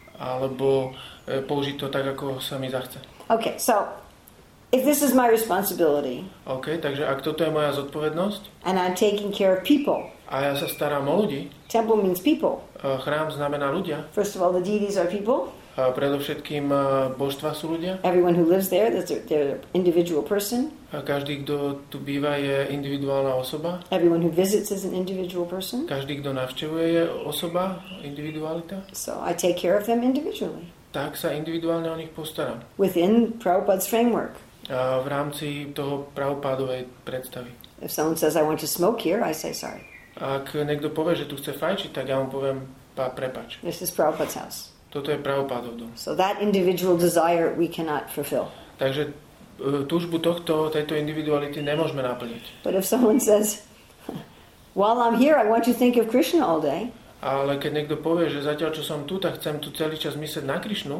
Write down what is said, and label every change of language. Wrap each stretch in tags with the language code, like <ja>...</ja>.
<sk>Alebo použiť to tak, ako sa mi zachce.</sk> <en>Okay, so if this is my responsibility.</en> <sk>Okay, takže ak toto je moja zodpovednosť.</sk> <en>And I'm taking care of people.</en> <sk>A ja sa starám o ľudí.</sk> <en>Temple means people.</en> <sk>Chrám znamená ľudia.</sk> <en>First of all, the deities are people.</en> <sk>A predovšetkým božstva sú ľudia.</sk> <en>Everyone who lives there, they're an individual person.</en> <sk>A každý, kto tu býva, je individuálna osoba.</sk> <en>Everyone who visits is an individual person.</en> <sk>Každý, kto navštevuje, je osoba, individualita.</sk> <en>So I take care of them individually.</en> <sk>Tak sa individuálne o nich postaram.</sk> <en>Within Prabhupada's framework.</en> <sk>A v rámci toho Prabhupádovej predstavy.</sk> <en>If someone says I want to smoke here, I say sorry.</en> <sk>Ak niekto povie, že tu chce fajčiť, tak ja mu poviem, prepáč.</sk> <en>This is Prabhupada's house.</en> <sk>Toto je Prabhupádov dom.</sk> <en>So that individual desire we cannot fulfill.</en> <sk>Takže túžbu tejto individuality nemôžeme naplniť.</sk> <en>But if someone says, while I'm here, I want to think of Krishna all day.</en> <sk>Ale keď niekto povie, že zatiaľ čo som tu, tak chcem tu celý čas myslieť na Krishnu.</sk>